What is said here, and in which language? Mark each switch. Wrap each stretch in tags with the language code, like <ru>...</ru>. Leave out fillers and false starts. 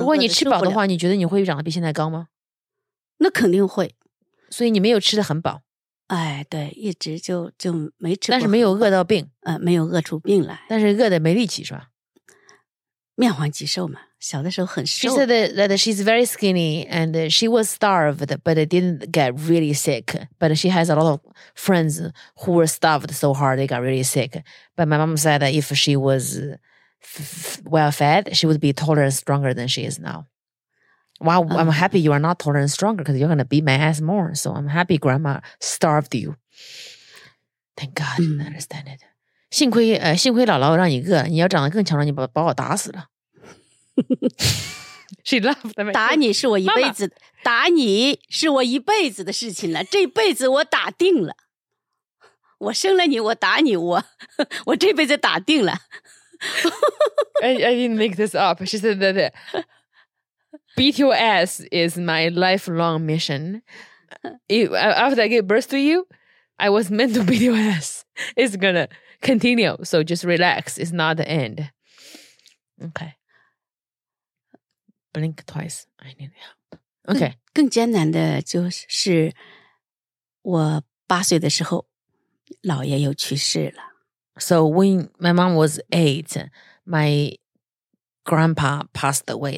<zh>如果你吃饱的话，你觉得你会长得比现在高吗？那肯定会。所以你没有吃得很饱？哎，对，一直就没吃，但是没有饿到病。没有饿出病来，但是饿得没力气是吧？面黄肌瘦嘛，小的时候很瘦。</zh> <en>She said that she's very skinny and she was starved, but didn't get really sick. But she has a lot of friends who were starved so hard they got really sick. But my mom said that if she was well-fed, she would be taller and stronger than she is now. Wow, I'm happy you are not taller and stronger because you're going to beat my ass more. So I'm happy grandma starved you. Thank God, I understand it.</en> <zh>幸亏姥姥让你饿，你要长得更强壮，你把我打死了。</zh> <en>She loved me.</en> <zh>打你是我一辈子，妈妈，打你是我一辈子的事情了，这辈子我打定了。我生了你，我打你，我这辈子打定了。</zh> <en>I didn't make this up. She said that beat your ass is my lifelong mission. After I gave birth to you, I was meant to beat your ass. It's gonna... Continue, so just relax, it's not the end. Okay. Blink twice, I need help. Okay.</en> <zh>更艰难的就是我8岁的时候姥爷又去世了。</zh> <en>So when my mom was 8, my grandpa passed away.</en>